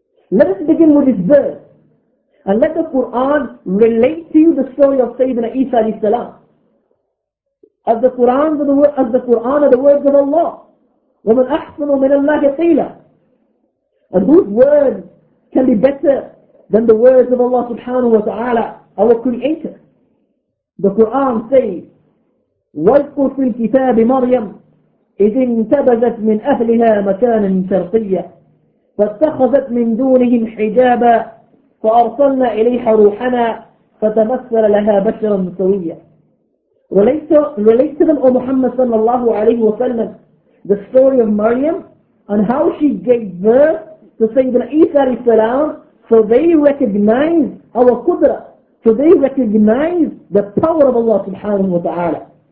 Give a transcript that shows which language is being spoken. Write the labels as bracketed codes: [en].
[en] Let us begin with his birth. And let the Quran relate to you the story of Sayyidina Isa alayhi salam. As the Quran are the words of Allah. [ar] وَمَنْ أَحْسَنُ مِنَ اللَّهِ قِيلًا. [en] And whose words can be better than the words of Allah subhanahu wa ta'ala, our Creator? The Quran says, [ar] وَاذْكُرْ فِي الْكِتَابِ مَرْيَمْ إِذْ انْتَبَذَتْ مِنْ أَهْلِهَا مَكَانًا شَرْقِيًّا فَاتَّخَذَتْ مِنْ دُونِهِمْ حِجَابًا فَأَرْسَلْنَا إِلَيْهَا رُوحَنَا فَتَمَثَّلَ لَهَا بَشَرًا سَوِيًّا. [en] Relate to them, O Muhammad sallallahu alayhi wa sallam, the story of Maryam and how she gave birth to Sayyidina Isa alayhi salam, so they recognize our Qudra, so they recognize the power of Allah subhanahu wa ta'ala.